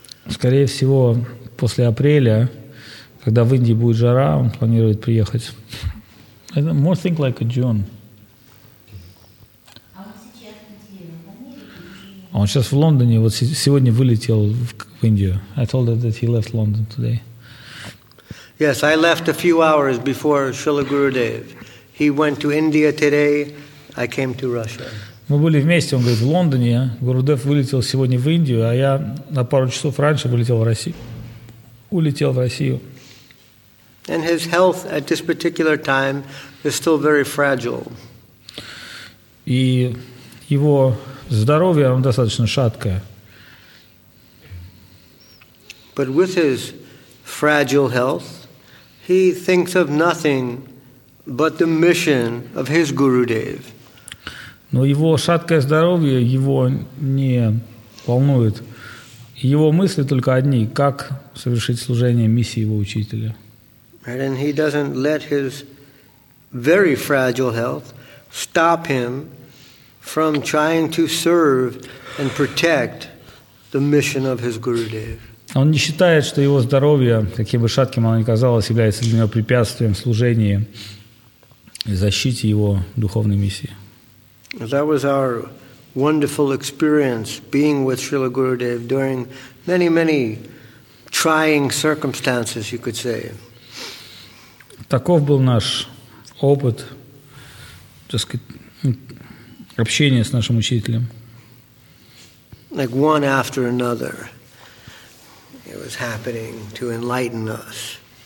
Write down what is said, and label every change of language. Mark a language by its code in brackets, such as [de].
[ru] Скорее всего, после апреля, когда в Индии будет жара, он планирует приехать. [en] More think like a June. [ru] Он сейчас в Лондоне, вот сегодня вылетел в Индию. [en] I told her that he left London today. Yes, I left a few hours before Srila Gurudev. He went to India today, I came to Russia. [ru] Мы были вместе, он говорит, в Лондоне. Гурудев вылетел сегодня в Индию, а я на пару часов раньше вылетел в Россию. Улетел в Россию. [en] And his health at this particular time is still very fragile. [ru] И его здоровье, оно достаточно шаткое. [en] But with his fragile health, he thinks of nothing but the mission of his Gurudev. [ru] Но его шаткое здоровье его не волнует. Его мысли только одни: как совершить служение миссии его учителя. [en] And he doesn't let his very fragile health stop him from trying to serve and protect the mission of his Gurudev. [ru] Он не считает, что его здоровье, каким бы шатким оно ни казалось, является для него препятствием в служении и защите его духовной миссии. [en] That was our wonderful experience being with Srila Gurudev during many, many trying circumstances, you could say. [ru] Таков был наш опыт, так сказать, общения с нашим учителем. [en] Like one after another, it was happening to enlighten us.